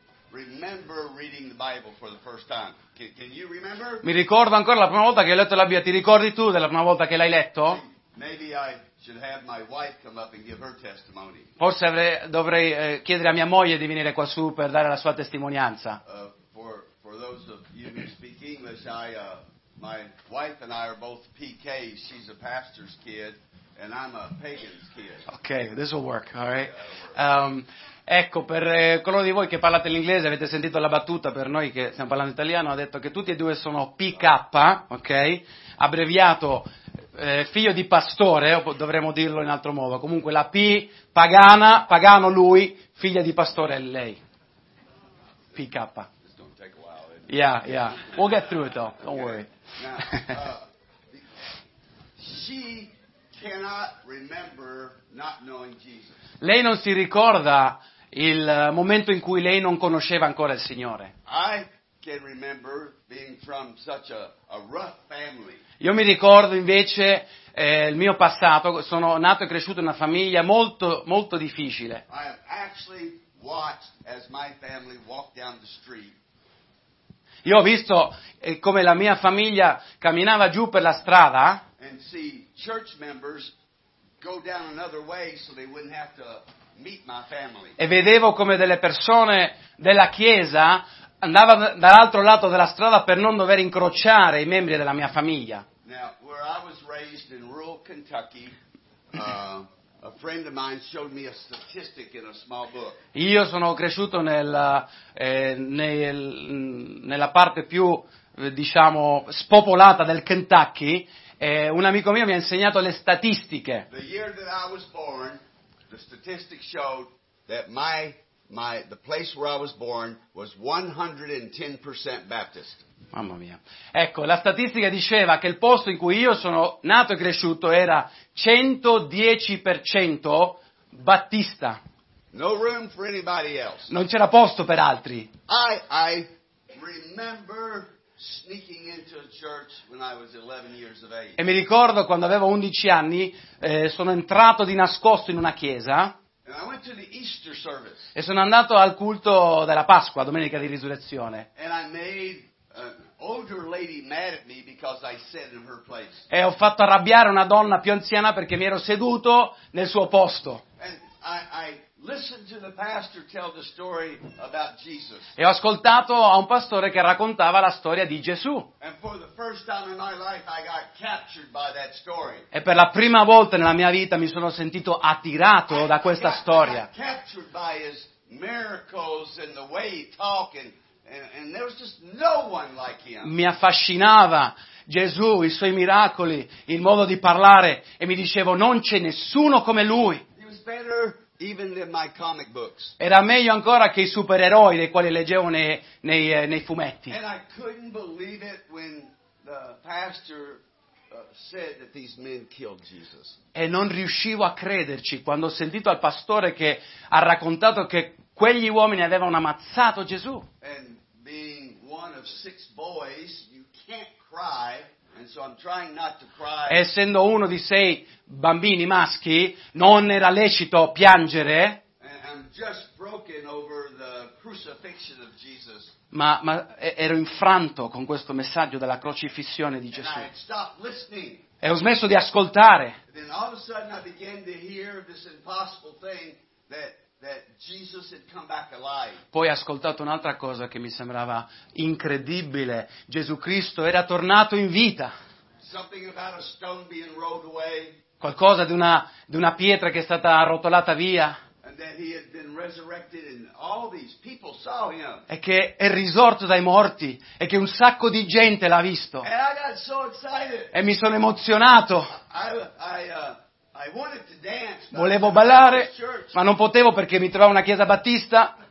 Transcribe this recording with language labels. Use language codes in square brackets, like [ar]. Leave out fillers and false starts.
[en] Remember reading the Bible for the first time. Can you remember? [it] Mi ricordo ancora la prima volta che ho letto la Bibbia. Ti ricordi tu della prima volta che l'hai letto? [en] Maybe I should have my wife come up and give her testimony. [it] Forse dovrei chiedere a mia moglie di venire qua su per dare la sua testimonianza. [en] For those of you who speak English, my wife and I are both PKs. She's a pastor's kid and I'm a pagan's kid. Okay, this will work, all right? [it] Ecco, per coloro di voi che parlate l'inglese, avete sentito la battuta, per noi che stiamo parlando italiano, ha detto che tutti e due sono PK, ok? Abbreviato figlio di pastore, dovremmo dirlo in altro modo. Comunque la P, pagana, pagano lui, figlia di pastore è lei. [en] PK. Yeah. We'll get through it though, don't okay. worry. Now, she cannot remember not knowing Jesus. [it] Lei non si ricorda il momento in cui lei non conosceva ancora il Signore. [en] I can remember being from such a rough family. [it] Io mi ricordo invece il mio passato. Sono nato e cresciuto in una famiglia molto molto difficile. [en] I have actually watched as my family walked down the street. [it] Io ho visto come la mia famiglia camminava giù per la strada. [en] And see church members go down another way so they wouldn't have to. [it] E vedevo come delle persone della chiesa andavano dall'altro lato della strada per non dover incrociare i membri della mia famiglia. [en] Now, where I was raised in rural Kentucky, a friend of mine showed me a statistic in a small book. [it] Io sono cresciuto nella parte più, diciamo, spopolata del Kentucky, e un amico mio mi ha insegnato le statistiche. [en] The year that I was born, the statistics showed that my the place where I was born was 110% Baptist. [it] Mamma mia. Ecco, la statistica diceva che il posto in cui io sono nato e cresciuto era 110% Battista. [en] No room for anybody else. [it] Non c'era posto per altri. [en] I remember sneaking into a church when I was 11 years of age. [it] E mi ricordo quando avevo 11 anni sono entrato di nascosto in una chiesa. [en] And I went to the Easter service. [it] E sono andato al culto della Pasqua, domenica di risurrezione. [en] And I made an older lady mad at me because I sat in her place. [it] E ho fatto arrabbiare una donna più anziana perché mi ero seduto nel suo posto. [en] And I listened to the pastor tell the story about Jesus. [it] E ho ascoltato a un pastore che raccontava la storia di Gesù. [en] And for the first time in my life I got captured by that story. [it] E per la prima volta nella mia vita mi sono sentito attirato da questa storia. [en] I got captured by his miracles and the way he talked and there was just no one like him. [it] Mi affascinava Gesù, i suoi miracoli, il modo di parlare e mi dicevo non c'è nessuno come lui. [en] He was better even in my comic books. [it] Era meglio ancora che i supereroi dei quali leggevo nei fumetti. [en] And I couldn't believe it when the pastor said that these men killed Jesus. [it] E non riuscivo a crederci quando ho sentito al pastore che ha raccontato che quegli uomini avevano ammazzato Gesù. [en] And being one of six boys, you can't cry. And so I'm trying not to cry. [it] Essendo uno di sei bambini maschi, non era lecito piangere. [en] And I'm just broken over the crucifixion of Jesus. [it] Ma ero infranto con questo messaggio della crocifissione di Gesù. [en] And I stopped listening. [it] E ho smesso di ascoltare. [en] And then all of a sudden I began to hear this impossible thing that Jesus had come back alive. [it] Poi ho ascoltato un'altra cosa che mi sembrava incredibile. Gesù Cristo era tornato in vita. [en] Something about a stone being rolled away. [it] Qualcosa di una pietra che è stata arrotolata via. [en] And that he had been resurrected and all these people saw him. [it] E che è risorto dai morti e che un sacco di gente l'ha visto. [en] And I got so excited. [it] E mi sono emozionato. [en] I wanted to dance, [it] volevo ballare, ma non potevo perché mi trovavo una chiesa battista.